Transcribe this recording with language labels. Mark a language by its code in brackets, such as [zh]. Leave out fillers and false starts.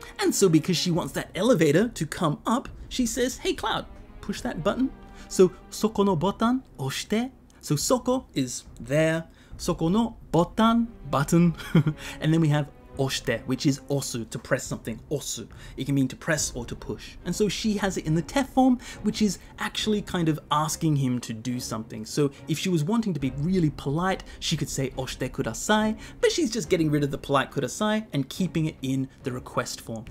[en] And so because she wants that elevator to come up, she says, hey Cloud, push that button. [ja] So そこのボタン押して。 [en] So そこ is there. [ja] そこのボタン [en] button. And then we have 押して, which is 押す, to press something, 押す. It can mean to press or to push. And so she has it in the te form, which is actually kind of asking him to do something. So if she was wanting to be really polite, she could say 押してください, but she's just getting rid of the polite ください and keeping it in the request form.